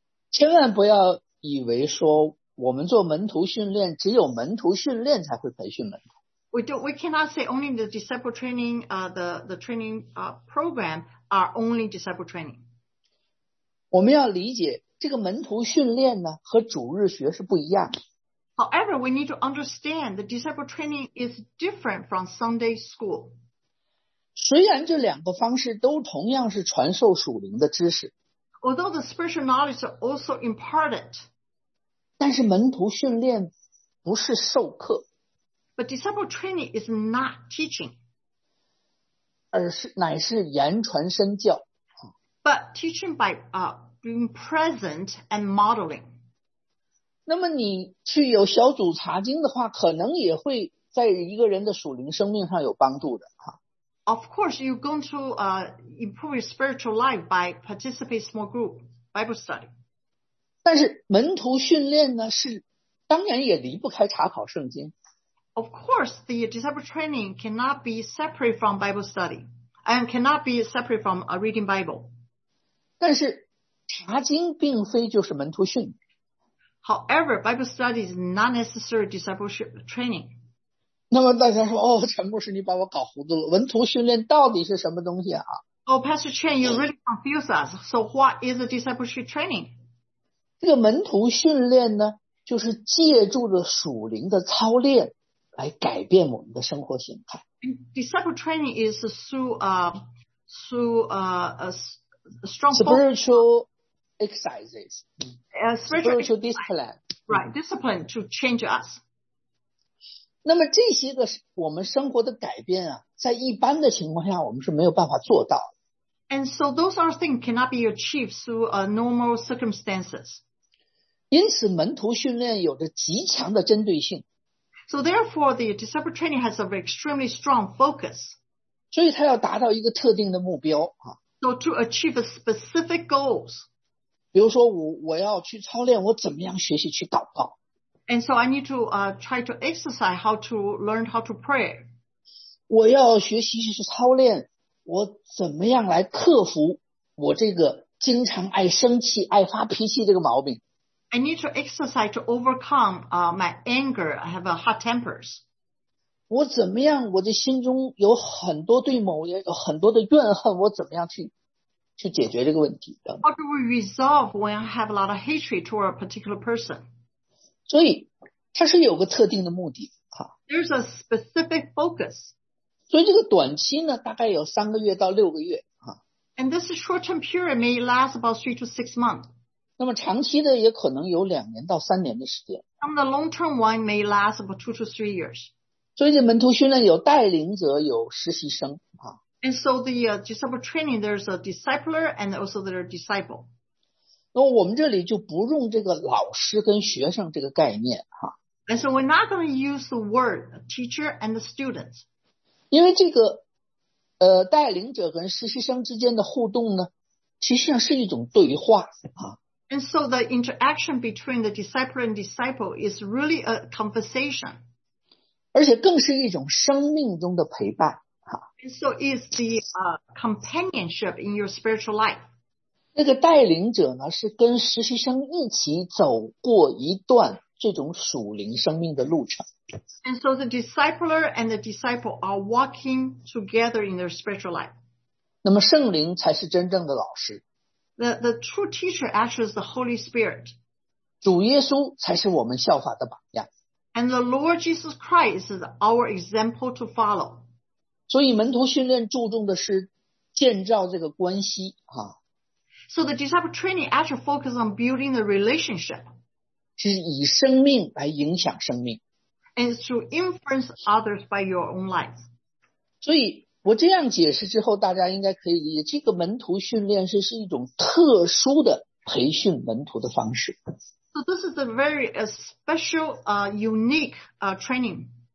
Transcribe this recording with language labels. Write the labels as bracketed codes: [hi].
[zh] 千万不要以为说我们做门徒训练，只有门徒训练才会培训门徒。 [en] We cannot say only the disciple training, the training program are only disciple training. [zh] 我们要理解这个门徒训练呢，和主日学是不一样。 [en] However, we need to understand the disciple training is different from Sunday school. [zh] 虽然这两个方式都同样是传授属灵的知识， [en] Although the spiritual knowledge is also imparted, [zh] 但是门徒训练不是授课， [en] But disciple training is not teaching, [zh] 而是乃是言传身教。 [en] But teaching by being present and modeling. [zh] 那么你去有小组查经的话，可能也会在一个人的属灵生命上有帮助的。 [en] Of course, you're going to improve your spiritual life by participating in small group Bible study. [zh] 但是门徒训练呢，是当然也离不开查考圣经。 [en] Of course, the disciple training cannot be separate from Bible study and cannot be separate from reading Bible. [zh] 但是查经并非就是门徒训练。 [en] However, Bible study is not necessary discipleship training. [zh] 那么大家说，哦，陈牧师，你把我搞糊涂了。门徒训练到底是什么东西啊？ [en] Oh, Pastor Chen, you really confuse us. So what is a discipleship training? [zh] 这个门徒训练呢，就是借助着属灵的操练来改变我们的生活形态。 [en] Disciple training is through strong spiritual exercises, spiritual discipline, right? Discipline to change us. [zh] 那么这些个我们生活的改变啊，在一般的情况下我们是没有办法做到的。 [en] And so those are things cannot be achieved through normal circumstances. [zh] 因此门徒训练有着极强的针对性。 [en] So therefore the disciple training has an extremely strong focus. [zh] 所以它要达到一个特定的目标啊。 [en] So to achieve a specific goals. [zh] 比如说我要去操练我怎么样学习去祷告。 [en] And so I need to try to exercise how to learn how to pray. [zh] 我要学习去操练，我怎么样来克服我这个经常爱生气、爱发脾气这个毛病。 [en] I need to exercise to overcome my anger. I have a hot tempers. [zh] 我怎么样？我的心中有很多对某人有很多的怨恨，我怎么样去解决这个问题？ [en] How do we resolve when I have a lot of hatred toward a particular person? [zh] 所以它是有个特定的目的啊。 [en] There's a specific focus. [zh] 所以这个短期呢大概有三个月到六个月啊。 [en] And this short-term period may last about 3 to 6 months. [zh] 那么长期的也可能有两年到三年的时间。 [en] And the long-term one may last about 2 to 3 years. [zh] 所以这门徒训练有带领者有实习生啊。 [en] And so the disciple training, there's a discipler and also their disciple. [zh] 那我们这里就不用这个老师跟学生这个概念哈。 [en] And so we're not going to use the word teacher and the students. [zh] 因为这个带领者跟实习生之间的互动呢，其实上是一种对话啊。 [en] And so the interaction between the disciple and disciple is really a conversation. [zh] 而且更是一种生命中的陪伴哈。 [en] And so is the companionship in your spiritual life. [zh] 那个带领者呢，是跟实习生一起走过一段这种属灵生命的路程。 [en] And so the discipler and the disciple are walking together in their spiritual life. [zh] 那么圣灵才是真正的老师。 [en] The true teacher actually is the Holy Spirit. [zh] 主耶稣才是我们效法的榜样。 [en] And the Lord Jesus Christ is our example to follow. [zh] 所以门徒训练注重的是建造这个关系、啊、 [en] So the disciple training actually focuses on building the relationship. [zh] 是以生命来影响生命。 [en] And to influence others by your own life. [zh] 所以我这样解释之后大家应该可以理解这个门徒训练 是一种特殊的培训门徒的方式。 [en] So this is a very special, unique, training.